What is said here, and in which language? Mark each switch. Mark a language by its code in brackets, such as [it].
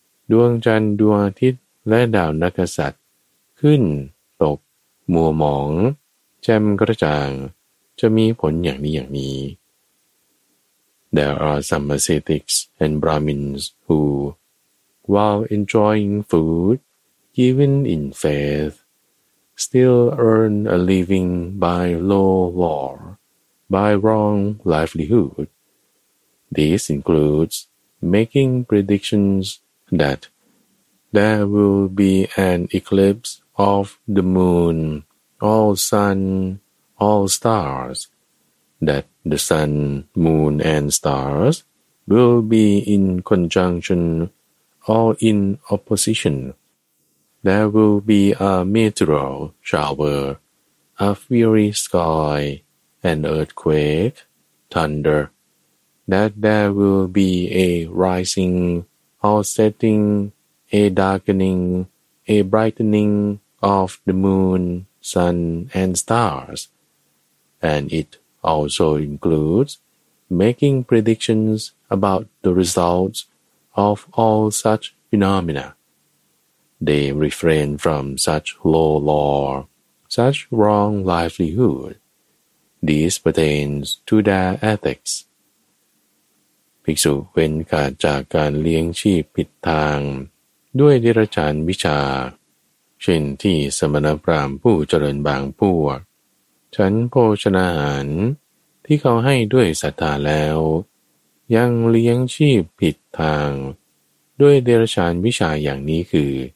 [th] ดวงจันทร์ดวงอาทิตย์และดาวนักษัตรขึ้นตกมัวหมองแจ่มกระจ่างจะมีผลอย่างนี้อย่างนี้ [en] There are some ascetics and Brahmins who, while enjoying food, even in faith, still earn a living by low law, by wrong livelihood. This includes making predictions that there will be an eclipse of the moon, all sun, all stars, thatThe sun, moon, and stars will be in conjunction or in opposition. There will be a meteor shower, a fiery sky, an earthquake, thunder, that there will be a rising offsetting, a darkening, a brightening of the moon, sun, and stars. And it also includes making predictions about the results of all such phenomena. They refrain from such low law, such wrong livelihood. This pertains to their ethics. [th] ภิกษุเว้นขาดจากการเลี้ยงชีพผิดทางด้วยเดรัจฉานวิชาเช่นที่สมณพราหมณ์ผู้เจริญบางพวกฉันโภชนาหารที่เขาให้ด้วยศรัทธาแล้วยังเลี้ยงชีพผิดทางด้วยเดรัจฉานวิชาอย่างนี้คือ